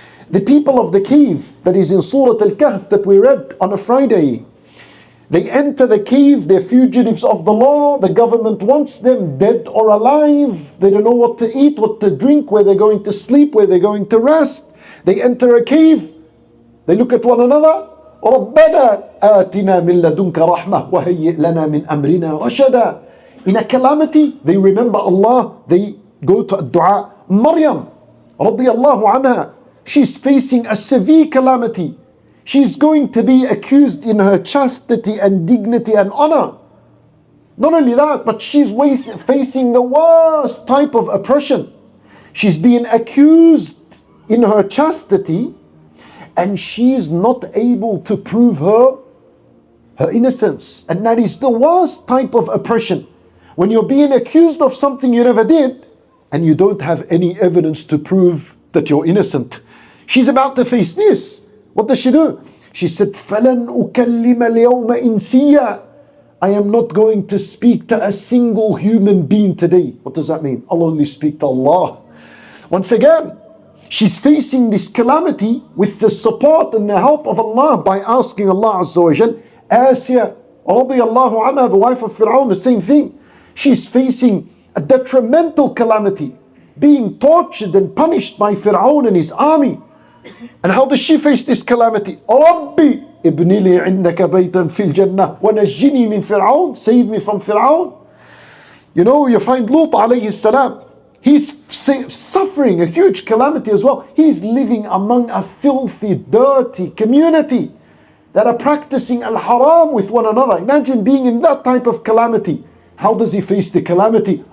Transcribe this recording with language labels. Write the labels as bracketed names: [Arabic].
[English] The people of the cave, that is in Surah Al-Kahf that we read on a Friday, they enter the cave, they're fugitives of the law, the government wants them dead or alive, they don't know what to eat, what to drink, where they're going to sleep, where they're going to rest. They enter a cave, they look at one another, [Arabic] رَبَّنَا آتِنَا مِنْ لَدُنْكَ رَحْمَةً وَهَيِّئْ لَنَا مِنْ أَمْرِنَا رَشَدًا. [English] In a calamity, they remember Allah, they go to a dua. Maryam, رضي الله عنها, she's facing a severe calamity. She's going to be accused in her chastity and dignity and honor. Not only that, but she's facing the worst type of oppression. She's being accused in her chastity, and she's not able to prove her innocence. And that is the worst type of oppression. When you're being accused of something you never did, and you don't have any evidence to prove that you're innocent. She's about to face this. What does she do? She said, [Arabic] فَلَنْ أُكَلِّمَ الْيَوْمَ إِنْسِيَّ. [English] I am not going to speak to a single human being today. What does that mean? I'll only speak to Allah. Once again, she's facing this calamity with the support and the help of Allah by asking Allah Azza wa Jal. Asiya radiallahu anha, the wife of Fir'aun, the same thing. She's facing a detrimental calamity, being tortured and punished by Fir'aun and his army. And how does she face this calamity? Rabbi [Arabic] ابني لي عندك بيتا في الجنة ونجني من فرعون. [English] Save me from فرعون. You know, you find Lut عليه السلام, he's suffering a huge calamity as well. He's living among a filthy, dirty community that are practicing al-haram with one another. Imagine being in that type of calamity. How does he face the calamity?